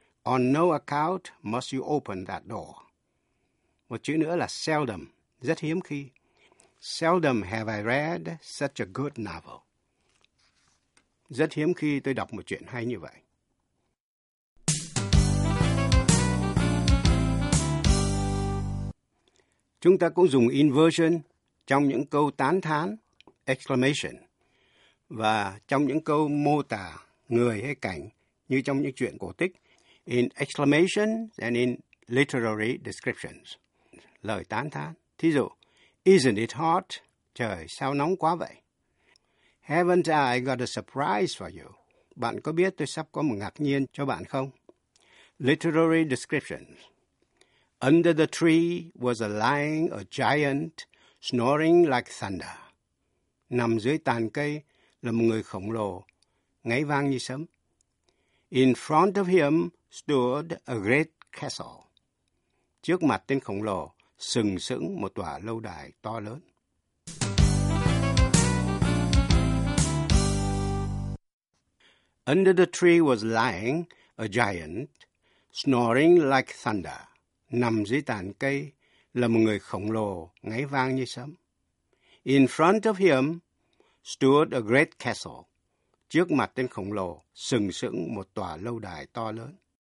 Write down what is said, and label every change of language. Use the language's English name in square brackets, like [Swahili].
[English] On no account must you open that door. [Vietnamese] Một chữ nữa là seldom, rất hiếm khi. [English] Seldom have I read such a good novel. [Vietnamese] Rất hiếm khi tôi đọc một chuyện hay như vậy. Chúng ta cũng dùng inversion trong những câu tán thán, exclamation. Và trong những câu mô tả người hay cảnh, như trong những chuyện cổ tích, [English] in exclamation and in literary descriptions, [Vietnamese] lời tán thán. Thí dụ, [English] isn't it hot? [Vietnamese] Trời, sao nóng quá vậy? [English] Haven't I got a surprise for you? [Vietnamese] Bạn có biết tôi sắp có một ngạc nhiên cho bạn không? [English] Literary descriptions. Under the tree was a giant snoring like thunder. [Vietnamese] Nằm dưới tàn cây là một người khổng lồ, ngáy vang như sấm. [English] In front of him stood a great castle. [Vietnamese] Trước mặt tên khổng lồ, sừng sững một tòa lâu đài to lớn. [English] Under the tree was lying a giant, snoring like thunder. [Vietnamese] Nằm dưới tàn cây là một người khổng lồ, ngáy vang như sấm. [English] In front of him stood a great castle. [Vietnamese] Trước mặt tên khổng lồ, sừng sững một tòa lâu đài to lớn.